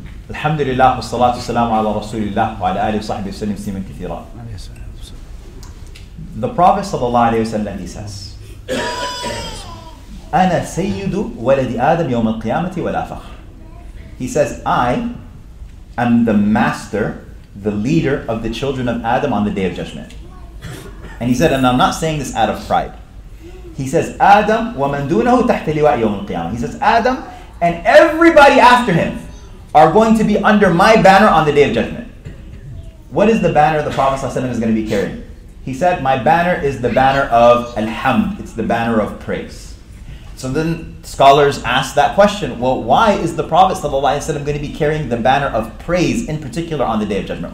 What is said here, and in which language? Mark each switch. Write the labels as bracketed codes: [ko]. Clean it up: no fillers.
[ar] الحمد لله والصلاة والسلام على رسول الله وعلى آله وصحبه وسلم سيما كثيرا. [en] The Prophet [ar] صلى الله عليه وسلم, [en] he says, [ar] أنا سيد ولد آدم يوم القيامة ولا فخر. [en] He says, I am the master, the leader of the children of Adam on the Day of Judgment. And he said, and I'm not saying this out of pride. He says, [ar] Adam ومن دونه تحت لواء يوم القيامة. [en] He says, Adam and everybody after him are going to be under my banner on the Day of Judgment. What is the banner the Prophet ﷺ is going to be carrying? He said, my banner is the banner of Alhamd. It's the banner of praise. So then scholars ask that question, well, why is the Prophet ﷺ going to be carrying the banner of praise in particular on the Day of Judgment?